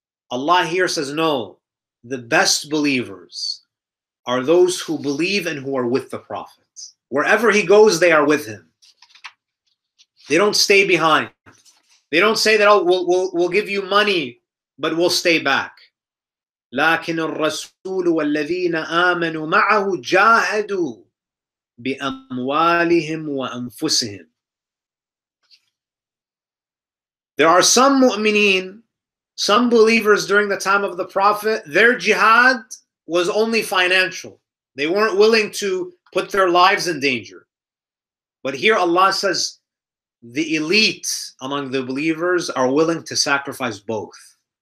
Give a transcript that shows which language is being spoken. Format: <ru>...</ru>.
<en>Allah here says, no, the best believers are those who believe and who are with the Prophet. Wherever he goes, they are with him. They don't stay behind. They don't say that, oh, we'll give you money, but we'll stay back.</en> <ar>لكن الرسول والذين آمنوا معه جاهدوا بأموالهم وأنفسهم.</ar> <en>There are some mu'mineen, some believers during the time of the Prophet, their jihad was only financial. They weren't willing to put their lives in danger. But here Allah says, the elite among the believers are willing to sacrifice both.</en>